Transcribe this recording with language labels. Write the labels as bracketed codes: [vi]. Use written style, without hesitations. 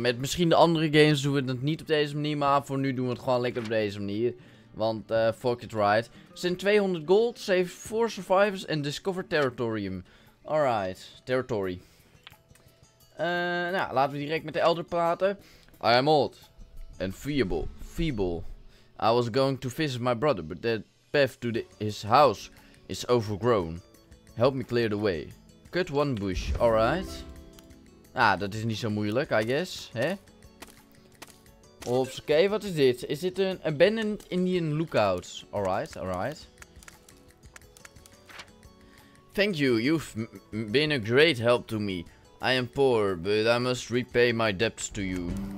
[nl] Met misschien de andere games doen we het niet op deze manier, maar voor nu doen we het gewoon lekker op deze manier. Want [en] fuck it right. [nl] Er zijn 200 gold, [en] save 4 survivors [nl] en discover territorium. [en] Alright, territory. [nl] Nou, laten we direct met de elder praten. [en] I am old and feeble. I was going to visit my brother, but that path to his house is overgrown. Help me clear the way. Cut one bush, alright. [nl] Ah, dat is niet zo moeilijk, [en] I guess. [nl] Hè? Oops, oké, wat is dit? Is dit een [en] abandoned Indian lookout? Alright, alright. Thank you, you've been a great help to me. I am poor, but I must repay my debts to you.